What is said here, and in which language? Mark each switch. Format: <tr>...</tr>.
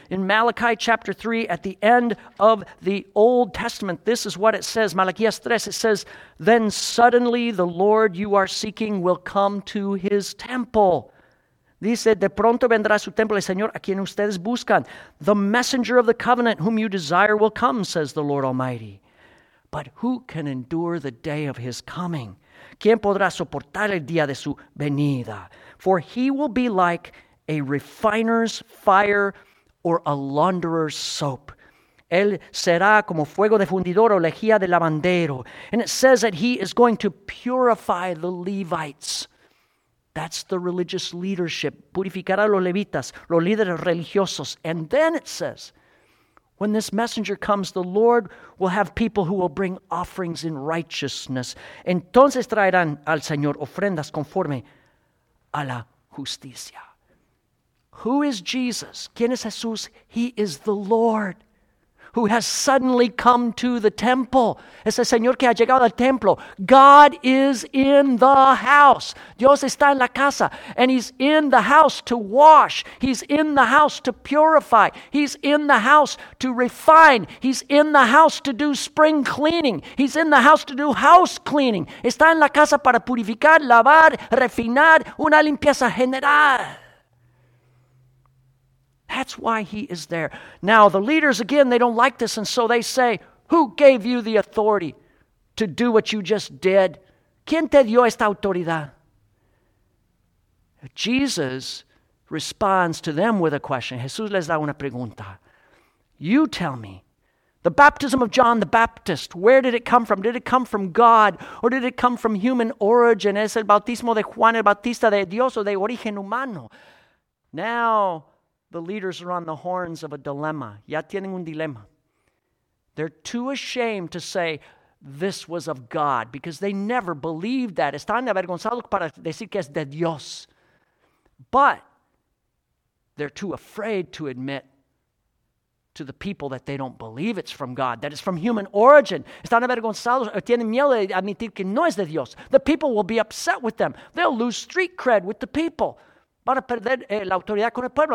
<en>In Malachi chapter 3, at the end of the Old Testament, this is what it says. Malaquías 3, it says, then suddenly the Lord you are seeking will come to his temple.</en> <es>Dice, de pronto vendrá su templo el Señor a quien ustedes buscan.</es> <en>The messenger of the covenant whom you desire will come, says the Lord Almighty. But who can endure the day of his coming?</en> <es>¿Quién podrá soportar el día de su venida?</es> <en>For he will be like a refiner's fire or a launderer's soap.</en> <es>Él será como fuego de fundidor o lejía de lavandero.</es> <en>And it says that he is going to purify the Levites. That's the religious leadership.</en> <es>Purificar a los levitas, los líderes religiosos.</es> <en>And then it says, when this messenger comes, the Lord will have people who will bring offerings in righteousness.</en> <es>Entonces traerán al Señor ofrendas conforme a la justicia.</es> <en>Who is Jesus?</en> <es>¿Quién es Jesús?</es> <en>He is the Lord who has suddenly come to the temple.</en> <es>Es el Señor que ha llegado al templo.</es> <en>God is in the house.</en> <es>Dios está en la casa.</es> <en>And he's in the house to wash. He's in the house to purify. He's in the house to refine. He's in the house to do spring cleaning. He's in the house to do house cleaning.</en> <es>Está en la casa para purificar, lavar, refinar, una limpieza general.</es> <en>That's why he is there. Now, the leaders, again, they don't like this, and so they say, who gave you the authority to do what you just did?</en> <es>¿Quién te dio esta autoridad?</es> <en>Jesus responds to them with a question.</en> <es>Jesús les da una pregunta.</es> <en>You tell me, the baptism of John the Baptist, where did it come from? Did it come from God, or did it come from human origin?</en> <es>¿Es el bautismo de Juan el Bautista de Dios o de origen humano?</es> <en>Now, the leaders are on the horns of a dilemma.</en> <es>Ya tienen un dilema.</es> <en>They're too ashamed to say this was of God because they never believed that.</en> <es>Están avergonzados para decir que es de Dios.</es> <en>But they're too afraid to admit to the people that they don't believe it's from God, that it's from human origin.</en> <es>Están avergonzados, tienen miedo de admitir que no es de Dios.</es> <en>The people will be upset with them. They'll lose street cred with the people.</en> <es>Van a perder la autoridad con el pueblo.</es>